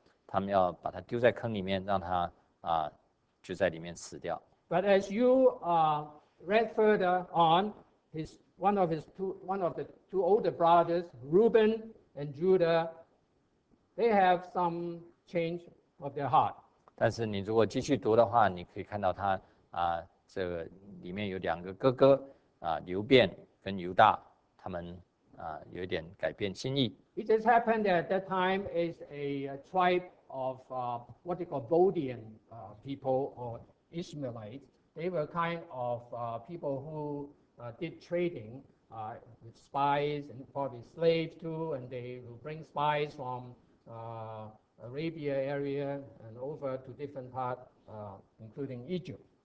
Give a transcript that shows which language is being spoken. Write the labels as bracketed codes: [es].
[zh] 他们要把他丢在坑里面,让他就在里面死掉。 [en] But as you read further on, one of the two older brothers, Reuben and Judah, they have some change of their heart. [zh] 但是你如果继续读的话，你可以看到他这个里面有两个哥哥，刘便跟犹大，他们有一点改变心意。 [en] It just happened that at that time is a tribe of what they call Bodian people or Ishmaelites. They were kind of people who did trading with spies and probably slaves too, and they will bring spies from Arabia area and over to different part, including Egypt.